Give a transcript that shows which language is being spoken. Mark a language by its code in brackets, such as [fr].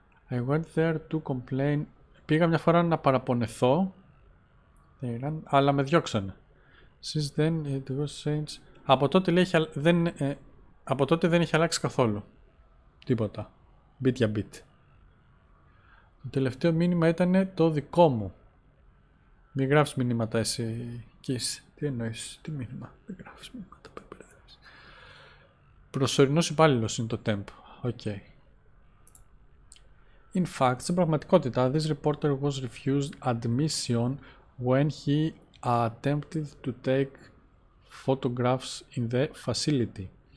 [en] I went there to complain. [el] Πήγα μια φορά να παραπονεθώ, αλλά με διώξανε. [en] Since then it was changed. [el] Από τότε, λέει, από τότε δεν έχει αλλάξει καθόλου τίποτα, bit για bit. Το τελευταίο μήνυμα ήταν το δικό μου. Μην γράφεις μηνύματα εσύ, Κις. Τι εννοείς, τι μήνυμα, δεν γράφεις μήνυματα, πέμπε ρε δεύτερες. Προσωρινός υπάλληλος είναι το temp, ok. [en] In fact, [el] στην πραγματικότητα, [en] this reporter was refused admission when he attempted to take photographs in the facility.